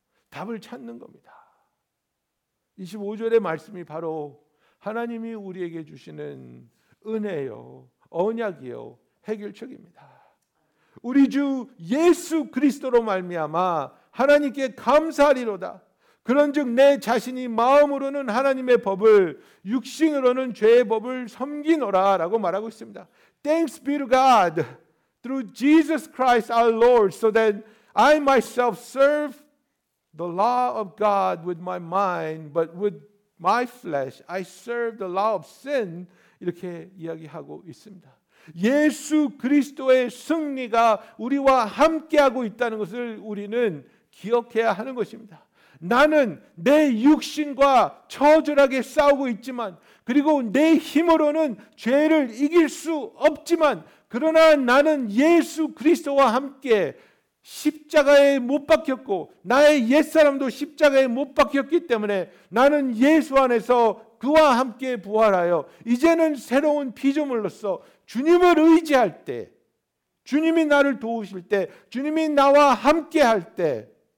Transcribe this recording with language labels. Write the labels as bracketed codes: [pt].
[ko] 답을 찾는 겁니다. 25절의 말씀이 바로 하나님이 우리에게 주시는 은혜요, 언약이요, 해결책입니다. 우리 주 예수 그리스도로 말미암아 하나님께 감사하리로다. 그런즉 내 자신이 마음으로는 하나님의 법을, 육신으로는 죄의 법을 섬기노라 라고 말하고 있습니다. [en] Thanks be to God through Jesus Christ our Lord so that I myself serve the law of God with my mind, but with my flesh, I serve the law of sin. [ko] 이렇게 이야기하고 있습니다. 예수 그리스도의 승리가 우리와 함께하고 있다는 것을 우리는 기억해야 하는 것입니다. 나는 내 육신과 처절하게 싸우고 있지만, 그리고 내 힘으로는 죄를 이길 수 없지만, 그러나 나는 예수 그리스도와 함께 십자가에 못 박혔고 나의 옛사람도 십자가에 못 박혔기 때문에 나는 예수 안에서 그와 함께 부활하여 이제는 새로운 피조물로서 주님을 의지할 때, 주님이 나를 도우실 때, 주님이 나와 함께 할 때